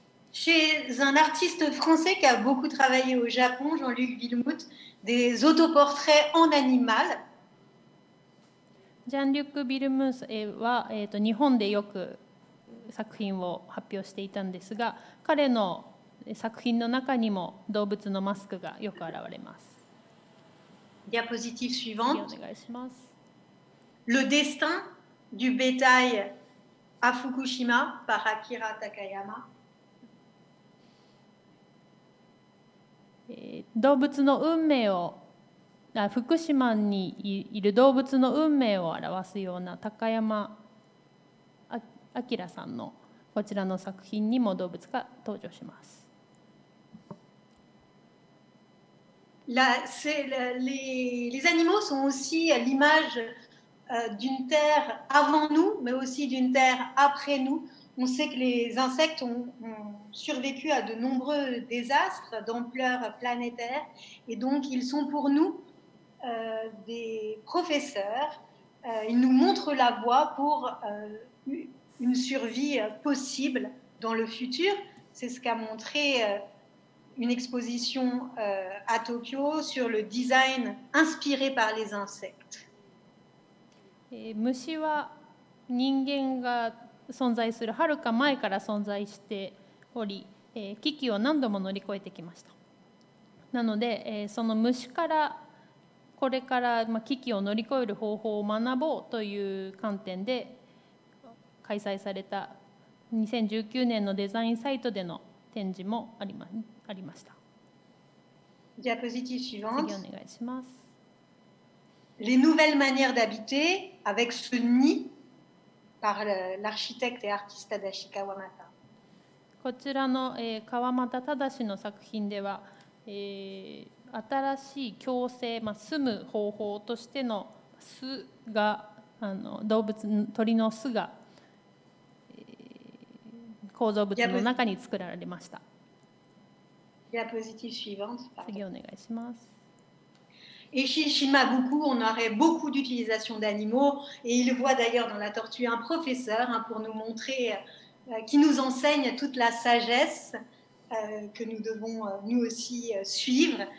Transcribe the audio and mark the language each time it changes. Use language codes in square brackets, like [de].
[fr] Chez un artiste français qui a beaucoup travaillé au Japon, Jean-Luc Villemout, des autoportraits en animal. [ja] ジャンリュック・ビルムースは、日本でよく作品を発表していたんですが、彼の作品の中にも動物のマスクがよく現れます。 [fr] Diapositive suivante. [ja] お願いします。 [fr] Le destin du bétail à Fukushima par Akira Takayama. [ja] 動物の運命を、福島にいる動物の運命を表すような高山。アキラさんのこちらの作品にも動物が登場します。 [fr] La, c'est, les animaux sont aussi l'image d'une terre avant nous mais aussi d'une terre après nous. On sait que les insectes ont survécu à de nombreux désastres d'ampleur planétaire et donc ils sont pour nous des professeurs. Ils nous montrent la voie pour une survie possible dans le futur. C'est ce qu'a montré une exposition à Tokyo sur le design inspiré par les insectes. [ja] 虫は人間が存在するはるか前から存在しており、危機を何度も乗り越えてきました。なので、その虫からこれから危機を乗り越える方法を学ぼうという観点で開催された2019年のデザインサイトでの展示もありました。 [fr] Diapositive suivante. [ja] 次お願いします。 [fr] Les nouvelles manières d'habiter avec ce nid par l'architecte et artiste Tadashi Kawamata. [ja] こちらの、川又忠の作品では、新しい共生、まあ、住む方法としての巣が、あの動物、鳥の巣が、構造物の中に作られました。次お願いします。 [fr] Et chez Shimabuku, on aurait beaucoup d'utilisation d'animaux. Et il voit d'ailleurs dans la tortue un professeur hein, pour nous montrer, qui nous enseigne toute la sagesse que nous devons nous aussi suivre.